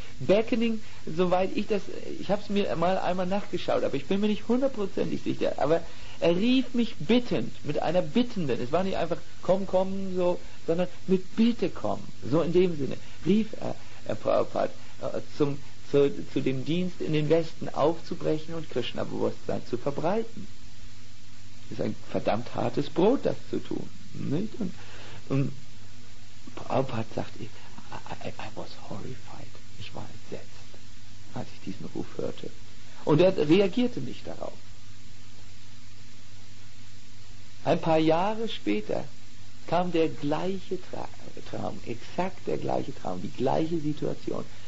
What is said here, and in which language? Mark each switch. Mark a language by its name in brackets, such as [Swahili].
[German] Beckoning, soweit ich das, ich habe es mir mal einmal nachgeschaut, aber ich bin mir nicht hundertprozentig sicher, aber er rief mich bittend, mit einer bittenden, es war nicht einfach komm, komm, so, sondern mit Bitte komm, so in dem Sinne, rief er, Herr Prabhupada, zu dem Dienst in den Westen aufzubrechen und Krishna-Bewusstsein zu verbreiten. Das ist ein verdammt hartes Brot, das zu tun. Nicht? Und Prabhupada sagt, [English] I was horrified. [German] Ich war entsetzt, als ich diesen Ruf hörte. Und er reagierte nicht darauf. Ein paar Jahre später kam der gleiche Traum, exakt der gleiche Traum, die gleiche Situation.